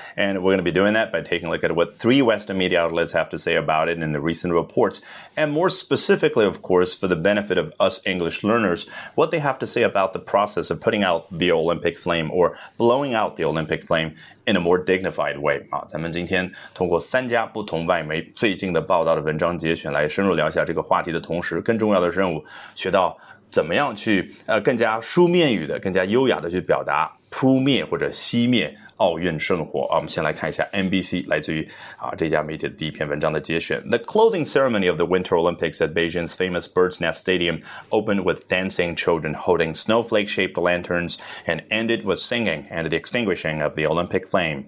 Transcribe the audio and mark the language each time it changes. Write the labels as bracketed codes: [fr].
[en] And we're going to be doing that by taking a look at what three Western media outlets have to say about it in the recent reports. And more specifically, of course, for the benefit of us English learners, what they have to say about the process of putting out the Olympic flame or blowing out the Olympic flame in a more dignified way. [zh] 咱们今天通过三家不同外媒最近的报道的文章节选来深入聊一下这个话题的同时，更重要的任务学到怎么样去更加书面语的、更加优雅的去表达扑灭或者熄灭奥运圣火啊。我们先来看一下 NBC 来自于这家媒体的第一篇文章的节选。 [en] The closing ceremony of the Winter Olympics at Beijing's famous Bird's Nest Stadium opened with dancing children holding snowflake-shaped lanterns and ended with singing and the extinguishing of the Olympic flame.